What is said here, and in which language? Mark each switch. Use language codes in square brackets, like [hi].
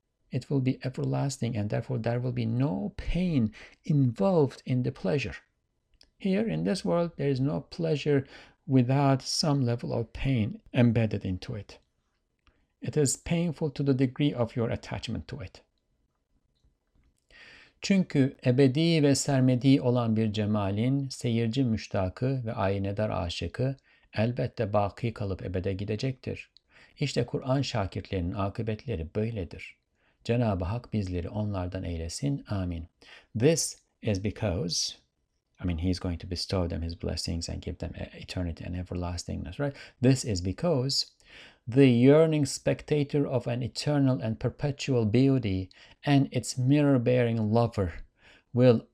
[en] It will be everlasting, and therefore there will be no pain involved in the pleasure. Here in this world, there is no pleasure without some level of pain embedded into it. It is painful to the degree of your attachment to it. [tr] Çünkü ebedi ve sermedi olan bir cemalin seyirci müştakı ve aynedar aşıkı elbette baki kalıp ebede gidecektir. İşte Kur'an şakirtlerinin akıbetleri böyledir. Cenab-ı Hak bizleri onlardan eylesin. Amin. [en] This is because, he's going to bestow them his blessings and give them eternity and everlastingness, right? This is because the yearning spectator of an eternal and perpetual beauty and its mirror-bearing lover will